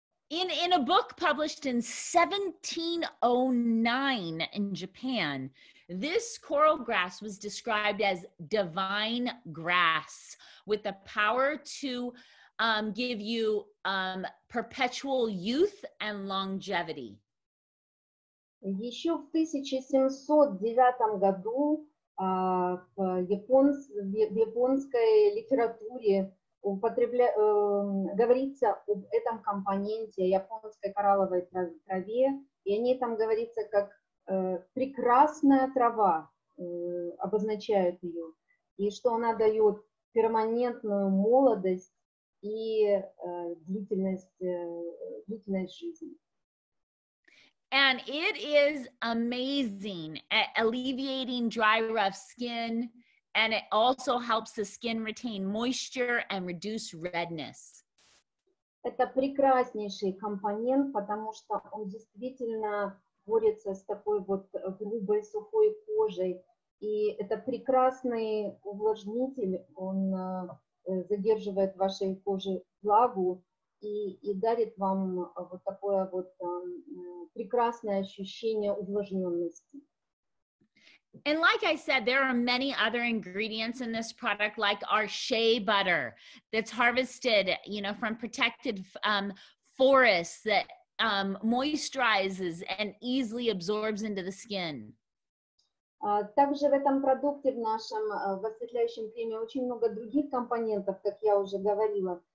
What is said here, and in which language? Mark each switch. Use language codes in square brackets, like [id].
[en] In a book published in 1709 in Japan, this coral grass was described as divine grass with the power to give you perpetual youth and longevity. [ru] Еще в 1709 году в японской литературе говорится об этом компоненте, японской коралловой траве, и о ней там говорится как прекрасная трава, обозначает ее, и что она дает перманентную молодость и длительность жизни. [en] And it is amazing at alleviating dry, rough skin, and it also helps the skin retain moisture and reduce redness. [ru] Это прекраснейший компонент, потому что он действительно борется с такой вот грубой, сухой кожей. И это прекрасный увлажнитель, он задерживает в вашей коже влагу и дарит вам вот такое вот прекрасное ощущение увлажненности. [en] And like I said, there are many other ingredients in this product, like our shea butter that's harvested, you know, from protected forests that moisturizes and easily absorbs into the skin. [ru] Также в этом продукте, в нашем осветляющем креме, очень много других компонентов, как я уже говорила.